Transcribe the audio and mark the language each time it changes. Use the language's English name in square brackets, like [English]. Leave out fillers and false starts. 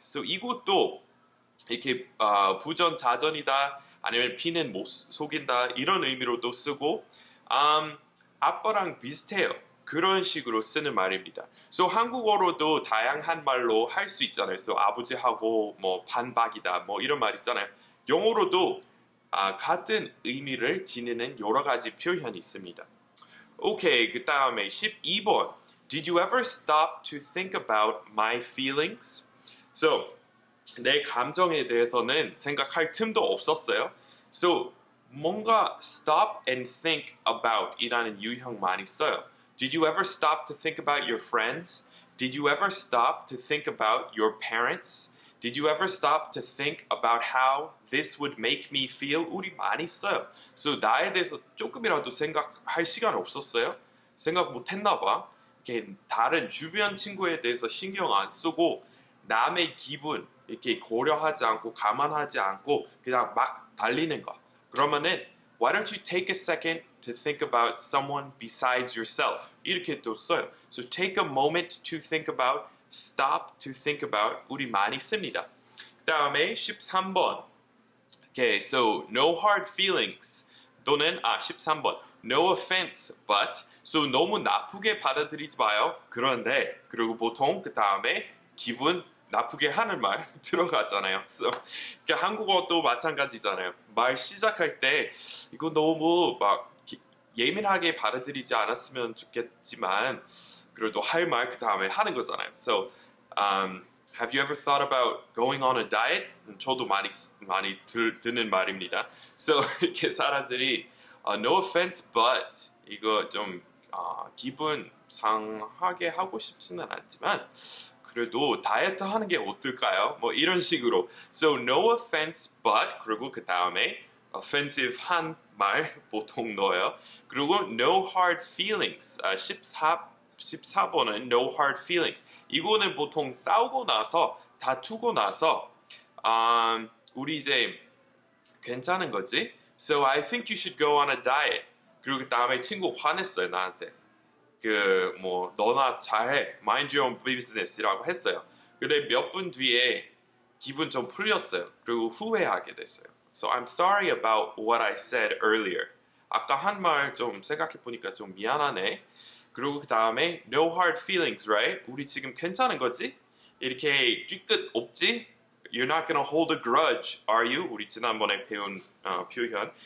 [Korean] So 이것도 이렇게 부전자전이다 아니면 피는 못 속인다 이런 의미로도 쓰고 아빠랑 비슷해요. 그런 식으로 쓰는 말입니다. So 한국어로도 다양한 말로 할 수 있잖아요. So 아버지하고 뭐 반박이다 뭐 이런 말 있잖아요. 영어로도 같은 의미를 지니는 여러 가지 표현이 있습니다. 오케이, 그 다음에 12번. [English] Did you ever stop to think about my feelings? [Korean] So 내 감정에 대해서는 생각할 틈도 없었어요. So 뭔가 [English] stop and think about [Korean] 이라는 유형 많이 써요. [English] Did you ever stop to think about your friends? Did you ever stop to think about your parents? Did you ever stop to think about how this would make me feel? [Korean] 우리 많이 써요. So 나에 대해서 조금이라도 생각할 시간 없었어요? 생각 못 했나 봐. 이렇게 다른 주변 친구에 대해서 신경 안 쓰고 남의 기분 이렇게 고려하지 않고 감안하지 않고 그냥 막 달리는 거. 그러면은 [English] why don't you take a second to think about someone besides yourself? [Korean] 이렇게 또 써요. [English] So take a moment to think about, stop to think about, [Korean] 우리 많이 씁니다. 다음에 13번. [English] Okay, so no hard feelings. [Korean] 또는, 13번. [English] No offense, but. [Korean] So 너무 나쁘게 받아들이지 마요. 그런데, 그리고 보통 그 다음에 기분 나쁘게 하는 말 들어가잖아요. So, 그러니까 한국어도 마찬가지잖아요. 말 시작할 때 이거 너무 막 예민하게 받아들이지 않았으면 좋겠지만 그래도 할 말 그 다음에 하는 거잖아요. [English] So, have you ever thought about going on a diet? [Korean] 저도 많이 듣는 말입니다. So, 이렇게 사람들이 [English] no offense, but [Korean] 이거 좀 기분 상하게 하고 싶지는 않지만 그래도 다이어트 하는 게 어떨까요? 뭐 이런 식으로. [English] So no offense, but [Korean] 그리고 그 다음에 offensive 한 말 보통 넣어요. 그리고 [English] no hard feelings. [Korean] 14번은 [English] no hard feelings. [Korean] 이거는 보통 싸우고 나서 다투고 나서 우리 이제 괜찮은 거지? [English] So I think you should go on a diet. [Korean] 그리고 그 다음에 친구 화냈어요 나한테. 그 뭐 너나 잘해 [English] mind your own business [Korean] 이라고 했어요. 근데 몇 분 뒤에 기분 좀 풀렸어요. 그리고 후회하게 됐어요. [English] So I'm sorry about what I said earlier. [Korean] 아까 한 말 좀 생각해보니까 좀 미안하네. 그리고 그 다음에 [English] no hard feelings, right? [Korean] 우리 지금 괜찮은 거지? 이렇게 뒤끝 없지? [English] You're not gonna hold a grudge, are you? [Korean] 우리 지난번에 배운 표현.